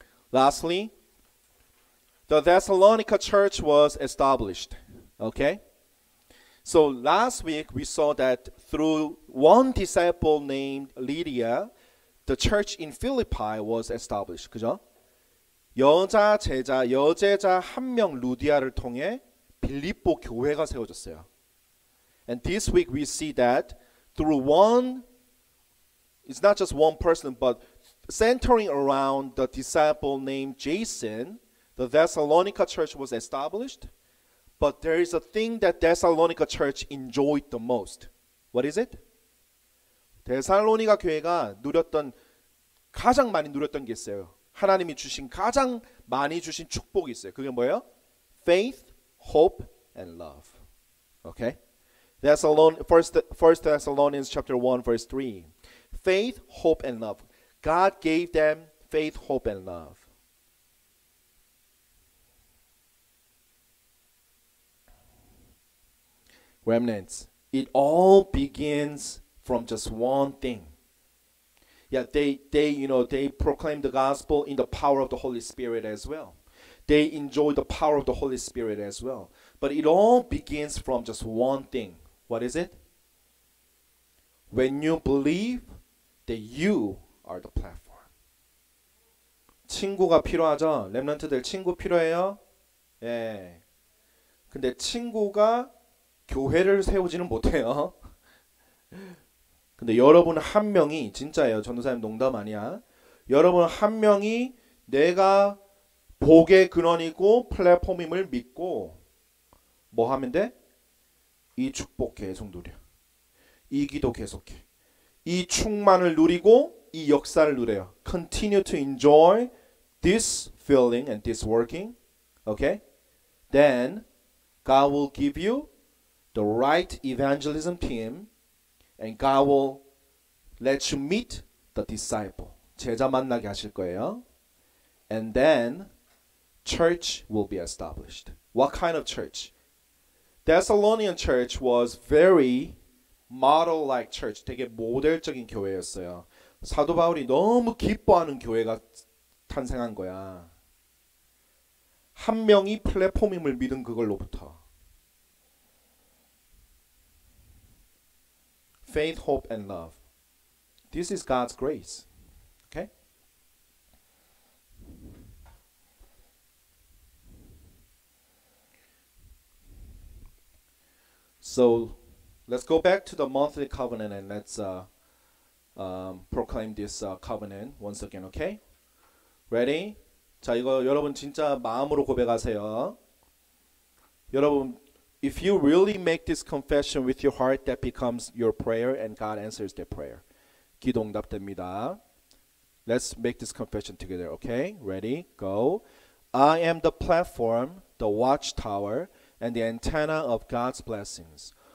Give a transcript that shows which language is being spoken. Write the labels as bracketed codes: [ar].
[en] Lastly, the Thessalonica church was established, okay? So last week we saw that through one disciple named Lydia, the church in Philippi was established, [ko] 그죠? 여자 제자, 여제자 한 명 루디아를 통해 빌립보 교회가 세워졌어요. [en] And this week we see that through one, it's not just one person, but centering around the disciple named Jason, the Thessalonica church was established. But there is a thing that Thessalonica church enjoyed the most. What is it? [ko] 데살로니가 교회가 누렸던, 가장 많이 누렸던 게 있어요. 하나님이 주신, 가장 많이 주신 축복이 있어요. 그게 뭐예요? [en] Faith, hope, and love. Okay? First Thessalonians chapter 1 verse 3. Faith, hope, and love. God gave them faith, hope, and love. Remnants. It all begins from just one thing. Yeah, they proclaim the gospel in the power of the Holy Spirit as well. They enjoy the power of the Holy Spirit as well. But it all begins from just one thing. What is it? When you believe that you are the platform. [ko] 친구가 필요하죠? 렘넌트들 친구 필요해요? 예. 근데 친구가 교회를 세우지는 못해요. 근데 여러분 한 명이 진짜예요. 전도사님 농담 아니야. 여러분 한 명이 내가 복의 근원이고 플랫폼임을 믿고 뭐 하면 돼? 이 축복 계속 누려. 이 기도 계속해. 이 충만을 누리고 이 역사를 누려요. [en] Continue to enjoy this feeling and this working. Okay? Then God will give you the right evangelism team and God will let you meet the disciple. [ko] 제자 만나게 하실 거예요. [en] And then church will be established. What kind of church? Thessalonian church was very model-like church. [ko] 되게 모델적인 교회였어요. 사도 바울이 너무 기뻐하는 교회가 탄생한 거야. 한 명이 플랫폼임을 믿은 그걸로부터. [en] Faith, hope, and love. This is God's grace. Okay? So, let's go back to the monthly covenant and let's proclaim this covenant once again, okay? Ready? [ko] 자, 이거 여러분 진짜 마음으로 고백하세요. [en] 여러분, if you really make this confession with your heart, that becomes your prayer and God answers that prayer. [ko] 기도 응답됩니다. [en] Let's make this confession together, okay? Ready? Go. I am the platform, the watchtower, and the antenna of God's blessings.